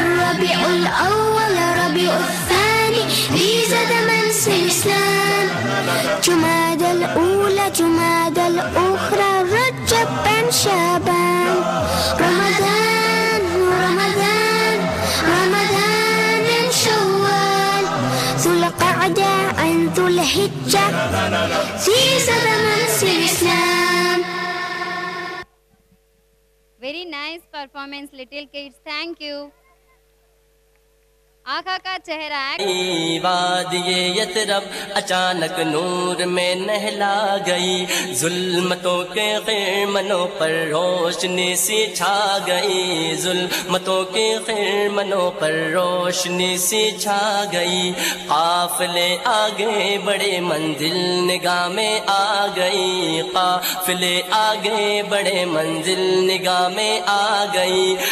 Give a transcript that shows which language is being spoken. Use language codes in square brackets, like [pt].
[ar] ربيع الأول ربيع الثاني لي زاد من سلسلان جمادى الأولى جمادى الأخرى رجب شابان رمضان رمضان رمضان شوال ذو القعدة عن ذو الحجة لي زاد من سلسلان. [en] Very nice performance, little kids. Thank you. आखा का चेहरा [hi] वादिये यतरब अचानक नूर में नहला गई जुल्मतों के खेमनों पर रोशनी सी छा गई जुल्मतों के खेमनों पर रोशनी सी छा गई काफिले आगे बड़े मंजिल निगाह में आ गई काफिले आगे बड़े मंजिल निगाह में आ गई